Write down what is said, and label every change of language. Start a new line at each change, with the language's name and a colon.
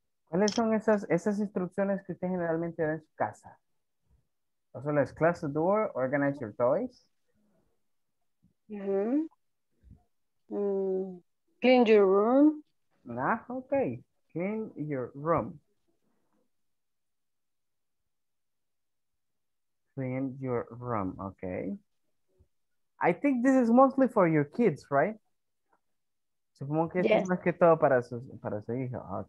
Spanish: ¿cuáles son esas instrucciones que usted generalmente da en su casa?
English: O sea, let's close the door, organize your toys. Clean your room. Nah, okay. Clean your room. In your room, okay. I think this is mostly for your kids, right?
Spanish: Supongo que es más que todo para su hijo.